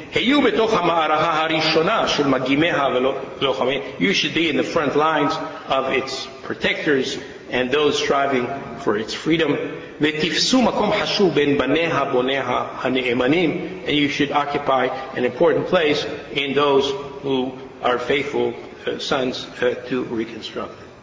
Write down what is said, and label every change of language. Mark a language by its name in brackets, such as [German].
[Hebrew] היו בתוך המערכה הראשונה של מגימיה ולוחמיה. [English] You should be in the front lines of its protectors and those striving for its freedom. [Hebrew] ותפסו מקום חשוב בין בניה בוניה הנאמנים. [English] And you should occupy an important place in those who are faithful sons to reconstruct.